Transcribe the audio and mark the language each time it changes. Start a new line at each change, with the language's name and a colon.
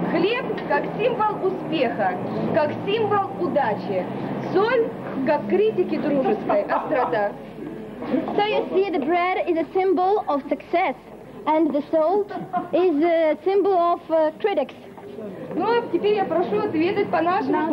Russian: Хлеб как символ успеха, как символ удачи. Соль как критики дружеской острота.
English: So you see, the bread is a symbol of success, and the salt is a symbol of critics.
Russian: Ну, теперь я прошу ответить по нашему